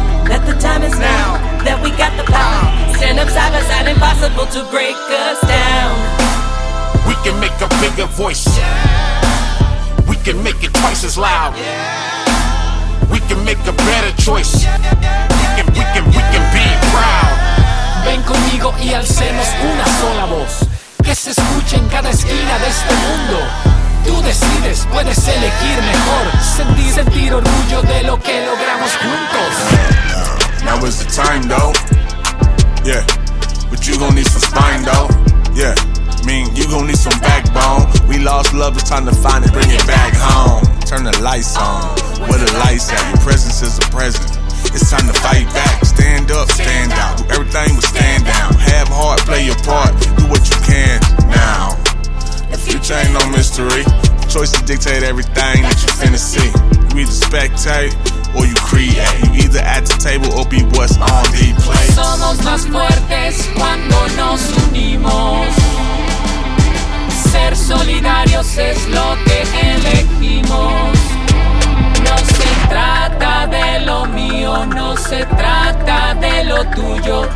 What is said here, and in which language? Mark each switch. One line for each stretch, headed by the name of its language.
English: That the time is now, that we got the power. Stand up side by side, impossible to break us down. We can make a bigger voice, yeah. We can make it twice as loud, yeah. We can make a better choice, yeah, yeah, yeah, we can be proud.
Spanish: Ven conmigo y alcemos una sola voz. Que se escuche en cada esquina de este mundo. Tú decides, puedes elegir mejor. Sentir orgullo de lo que logramos juntos.
English: Now is the time though, yeah. But you gon' need some spine though, yeah. Mean you gon' need some backbone. We lost love, it's time to find it, bring it back home. Turn the lights on, where the lights at? Your presence is a present. It's time to fight back, stand up, stand out. Do everything but stand down. Have heart, play your part, do what you can now. The future ain't no mystery. Choices dictate everything that you finna see. You either spectate or you create. You either at the table or be what's on the plate.
Spanish: Somos más fuertes cuando nos unimos. Ser solidarios es lo que elegimos. No se trata de lo mío, no se trata de lo tuyo.